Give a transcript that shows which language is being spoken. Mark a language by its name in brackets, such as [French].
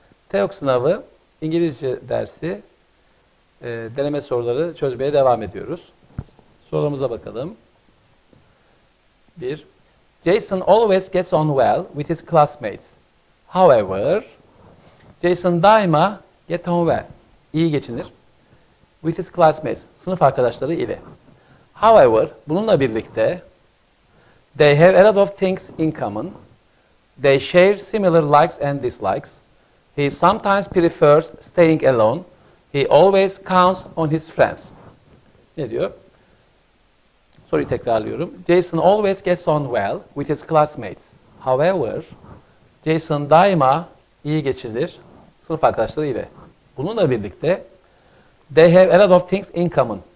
[Turkish] TEOG sınavı, İngilizce dersi, deneme soruları çözmeye devam ediyoruz. Sorularımıza bakalım. 1. [English] Jason always gets on well with his classmates. However, Jason [Turkish] daima [English] get on well, [Turkish] iyi geçinir, [English] with his classmates, [Turkish] sınıf arkadaşları ile. [English] However, [Turkish] bununla birlikte, [English] they have a lot of things in common. They share similar likes and dislikes. He sometimes prefers staying alone. He always counts on his friends. [Turkish] Ne diyor? Soruyu tekrarlıyorum. [English] Jason always gets on well with his classmates. [Turkish] However, Jason daima iyi geçinir sınıf arkadaşları ile. Bununla birlikte, [English] they have a lot of things in common.